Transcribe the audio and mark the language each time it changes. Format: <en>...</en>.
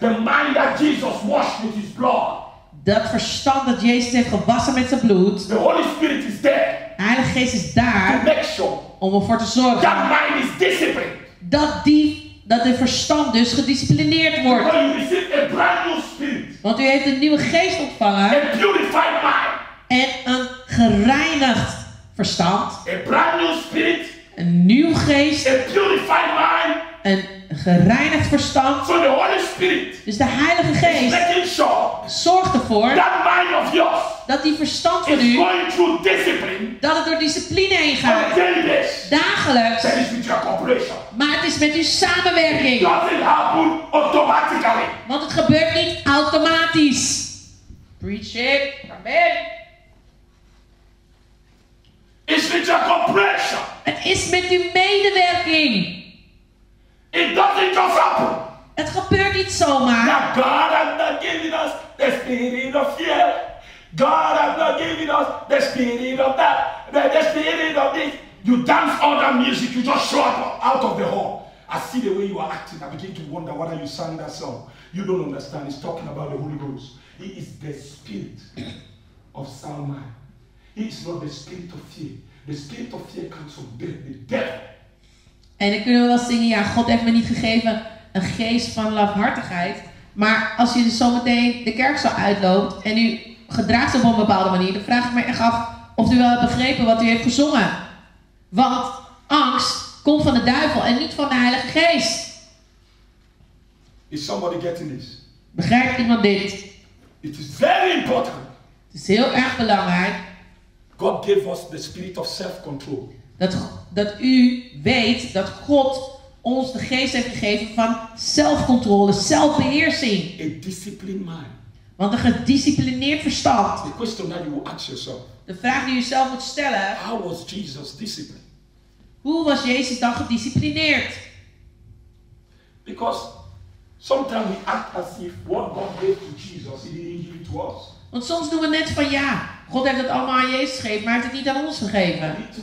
<en>the mind that Jesus washed with his blood,</en> <nl>dat verstand dat Jezus heeft gewassen met zijn bloed,</nl> <en>the Holy Spirit is there,</en> <nl>de Heilige Geest is daar,</nl> <en>to make sure,</en> <nl>om ervoor te zorgen,</nl> <en>that mind is disciplined,</en> <nl>dat de verstand dus gedisciplineerd wordt.</nl> <en>Because you receive a brand new spirit,</en> <nl>want u heeft een nieuwe geest ontvangen,</nl> <en>a purified mind,</en> <nl>en een gereinigd verstand,</nl> <en>a brand new spirit,</en> <nl>een nieuw geest,</nl> <en>a purified mind,</en> <nl>een gereinigd verstand.</nl> <en>So the Holy Spirit,</en> <nl>dus de Heilige Geest,</nl> <en>making sure,</en> <nl>zorgt ervoor</nl> <en>that mind of yours,</en> <nl>dat die verstand van u,</nl> <en>going through discipline,</en> <nl>dat het door discipline heen gaat,</nl> <en>this,</en> <nl>dagelijks,</nl> <en>is with your cooperation.</en> <nl>Maar het is met uw samenwerking.</nl> <en>It doesn't happen automatically.</en> <nl>Want het gebeurt niet automatisch.</nl> <en>Preach it. Amen. It's with your cooperation.</en> <nl>Het is met uw medewerking.</nl> <en>It doesn't just happen.</en> <nl>Het gebeurt niet zomaar.</nl> <en>Now God has not given us the spirit of fear. God has not given us the spirit of that. The spirit of this. You dance all that music. You just show up out of the hall. I see the way you are acting. I begin to wonder, what are you singing that song? You don't understand. He's talking about the Holy Ghost. He is the spirit of sound mind. He is not the spirit of fear. The spirit of fear comes from death. The devil.</en> <nl>En dan kunnen we wel zingen, ja, God heeft me niet gegeven een geest van lafhartigheid. Maar als je dus zometeen de kerk zo uitloopt en u gedraagt zich op een bepaalde manier, dan vraag ik me echt af of u wel hebt begrepen wat u heeft gezongen. Want angst komt van de duivel en niet van de Heilige Geest.</nl> <en>Is somebody getting this?</en> <nl>Begrijpt iemand dit?</nl> <en>It is very important.</en> <nl>Het is heel erg belangrijk.</nl> <en>God gave us the spirit of self-control.</en> <nl>Dat u weet dat God ons de geest heeft gegeven van zelfcontrole, zelfbeheersing.</nl> <en>A disciplined mind.</en> <nl>Want een gedisciplineerd verstand.</nl> <en>The question that you ask yourself,</en> <nl>de vraag die u zelf moet stellen.</nl> <en>How was Jesus disciplined?</en> <nl>Hoe was Jezus dan gedisciplineerd?</nl> <en>Because sometimes we act as if what God gave to Jesus, he didn't give it to us.</en> <nl>Want soms doen we net van ja, God heeft het allemaal aan Jezus gegeven, maar hij heeft het niet aan ons gegeven.</nl>